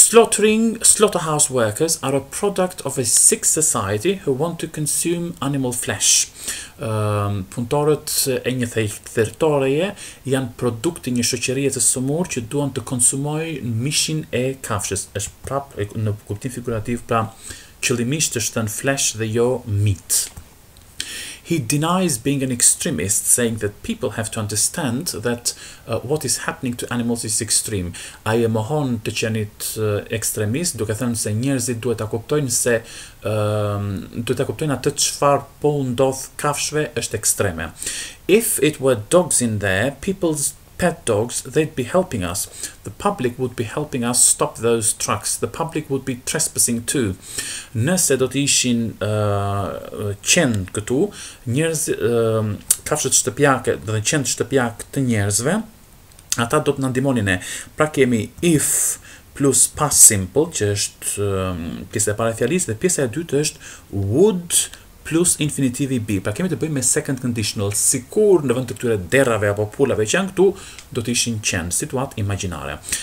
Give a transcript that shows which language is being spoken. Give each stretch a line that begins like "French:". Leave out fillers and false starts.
English: Slaughterhouse workers are a product of a sick society who want to consume animal flesh.
Albanian: Punëtorët e një thertoreje janë produkti një shoqërie të sëmurë që duan të konsumoj mishin e kafshës. Është prapë në kuptim figurativ, pra qëllimisht është thënë flesh dhe jo meat.
English: He denies being an extremist, saying that people have to understand that what is happening to animals is extreme.
Albanian: Ai e mohon të qenit ekstremist, duke thënë se njerëzit duhet ta kuptojnë se duhet ta kuptojnë atë çfarë po ndodh kafshëve është ekstreme.
English: If it were dogs in there, people's pet dogs, they'd be helping us. The public would be helping us stop those trucks. The public would be trespassing too.
Albanian: Nëse do të ishin qenë këtu, njerëz, kafshët shtëpiake dhe qenë shtëpiake të njerëzve, ata do të nëndimonin e. Pra kemi
English: if plus past simple,
Albanian: që është pjesë e pare fjalisë, dhe pjesë e dytë është would plus infinitivi be, pra kemi të bëjmë me second conditional, sikur në vend të këtyre derrave apo pulave që janë këtu, do të ishin qenë, situatë imaginare.